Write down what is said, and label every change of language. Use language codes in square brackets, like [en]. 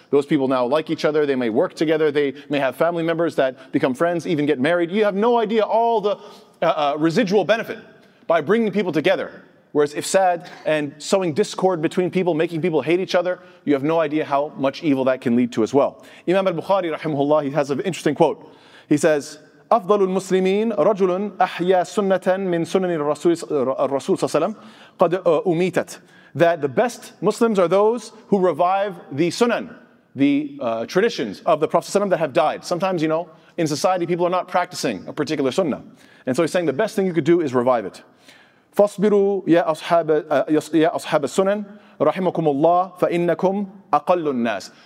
[en] Those people now like each other, they may work together, they may have family members that become friends, even get married. You have no idea all the residual benefit by bringing people together. Whereas ifsad and sowing discord between people, making people hate each other, you have no idea how much evil that can lead to as well. Imam al-Bukhari, rahimahullah, he has an interesting quote. He says, [ar] أفضل المسلمين رجل أحيا سنة من سنن الرسول صلى الله عليه وسلم قد أميتت. [en] That the best Muslims are those who revive the sunan, the traditions of the Prophet ﷺ that have died. Sometimes, you know, in society, people are not practicing a particular sunnah. And so he's saying the best thing you could do is revive it. [ar] فَاصْبِرُوا يَا أَصْحَابَ السُنَنِ رَحِمَكُمُ اللَّهِ فَإِنَّكُمْ أَقَلُّ النَّاسِ.